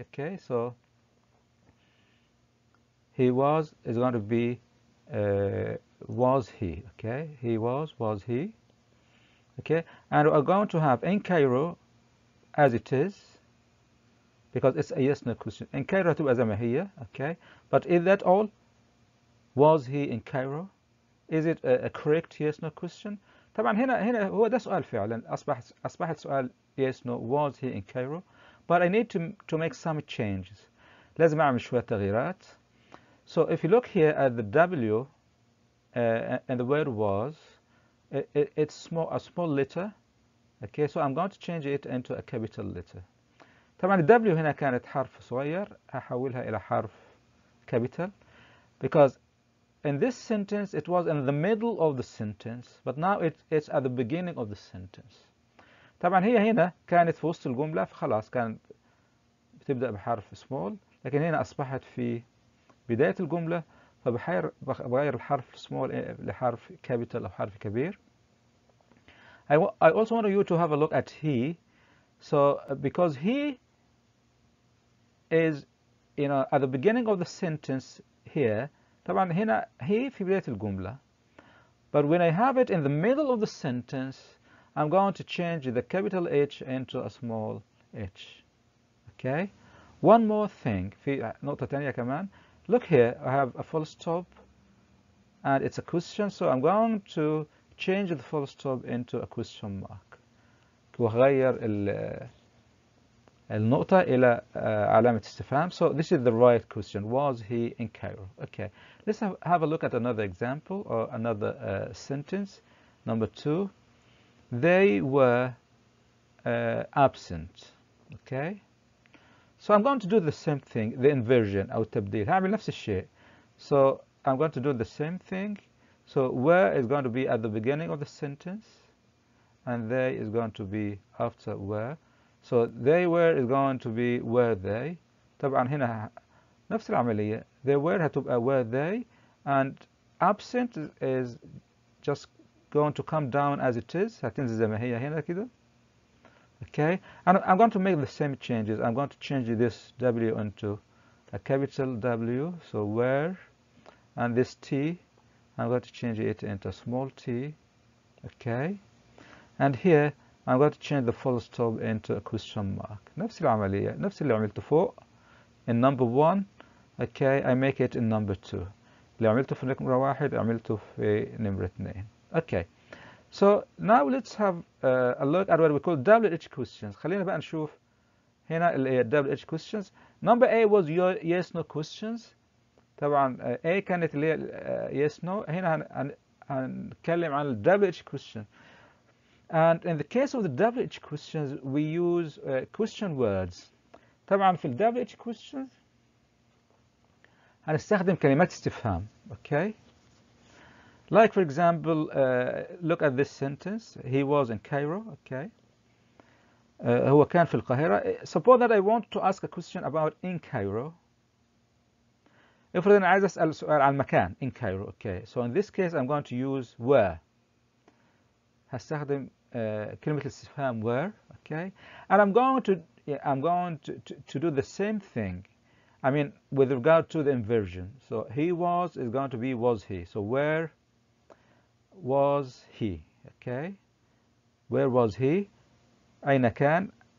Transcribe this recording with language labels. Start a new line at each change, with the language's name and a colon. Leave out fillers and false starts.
English: Okay, so he was is going to be was he. Okay, he was he. Okay, and we're going to have in Cairo as it is, because it's a yes/no question. In Cairo
Arabic: تبقى زي ما هي.
English: Okay, but is that all? Was he in Cairo? Is it a correct yes/no question?
Arabic: طبعا هنا هو ده سؤال فعلا. أصبحت سؤال yes/no.
English: Was he in Cairo? But I need to make some changes.
Arabic: لازم أعمل شوية تغييرات.
English: So if you look here at the W and the word was, it's a small letter. Okay, so I'm going to change it into a capital letter.
Arabic: طبعا ال W هنا كانت حرف صغير هحولها إلى حرف
English: capital because in this sentence it was in the middle of the sentence but now it's at the beginning of the sentence.
Arabic: طبعا هي هنا كانت في وسط الجملة فخلاص كانت بتبدأ بحرف small لكن هنا أصبحت في بداية الجملة فبغير الحرف small لحرف capital أو حرف كبير.
English: I also want you to have a look at he. So because he is, you know, at the beginning of the sentence here.
Arabic: طبعا هنا he في بداية الجملة.
English: But when I have it in the middle of the sentence, I'm going to change the capital H into a small h. Okay. One more thing.
Arabic: في نقطة تانية كمان.
English: Look here. I have a full stop. And it's a question. So I'm going to change the full stop into a question mark.
Arabic: وغير النقطة إلى علامة استفهام.
English: So this is the right question. Was he in Cairo? Okay. Let's have a look at another example or another sentence. Number two. They were absent. Okay. So I'm going to do the same thing, the inversion
Arabic: أو التبديل. هعمل نفس الشيء.
English: So I'm going to do the same thing. So where is going to be at the beginning of the sentence and they is going to be after where. So they were is going to be were they.
Arabic: طبعا هنا نفس العملية.
English: They were
Arabic: هتبقى
English: were they and absent is just going to come down as it is.
Arabic: هتنزل زي ما هي هنا كده.
English: Okay, and I'm going to make the same changes. I'm going to change this W into a capital W, so where, and this T, I'm going to change it into a small t. Okay, and here I'm going to change the full stop into a question mark.
Arabic: نفس العملية, نفس اللي عملته فوق
English: in number one. Okay, I make it in number two.
Arabic: اللي عملته في نمرة واحد عملته في نمرة اثنين.
English: Okay. So now let's have a look at what we call WH questions.
Arabic: خلينا بقى نشوف هنا الـ WH questions.
English: Number A was your yes no questions.
Arabic: طبعا A كانت اللي هي yes no. هنا هنتكلم عن الـ WH question.
English: And in the case of the WH questions, we use question words.
Arabic: طبعا في الـ WH questions هنستخدم كلمات استفهام.
English: Okay. Like, for example, look at this sentence. He was in Cairo, okay?
Arabic: هو كان في القاهرة.
English: Suppose that I want to ask a question about in Cairo. If then I
Arabic: عايز أسأل سؤال عن مكان
English: in Cairo, okay? So in this case, I'm going to use where.
Arabic: هستخدم كلمة الاستفهام where, okay?
English: And I'm going to do the same thing. I mean, with regard to the inversion. So he was is going to be was he. So where was he? Okay. Where was he?
Arabic: أين كان?